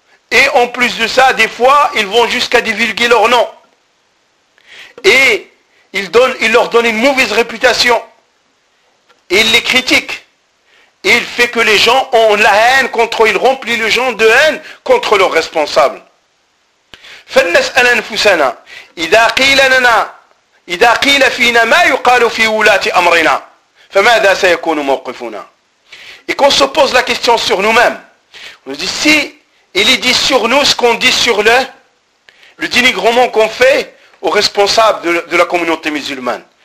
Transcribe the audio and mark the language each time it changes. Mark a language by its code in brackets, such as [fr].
[fr] Et en plus de ça, des fois, ils vont jusqu'à divulguer leur nom. Et ils leur donnent une mauvaise réputation. Et ils les critiquent. Et il fait que les gens ont la haine contre eux, ils remplissent les gens de haine contre leurs responsables. [ar] فلنسأل أنفسنا إذا قيل لنا إذا قيل فينا ما يقال في ولاة أمرنا فماذا سيكون موقفنا؟ [fr] Et qu'on se pose la question sur nous-mêmes. On se dit si il est dit sur nous ce qu'on dit sur le dénigrement qu'on fait aux responsables de la communauté musulmane.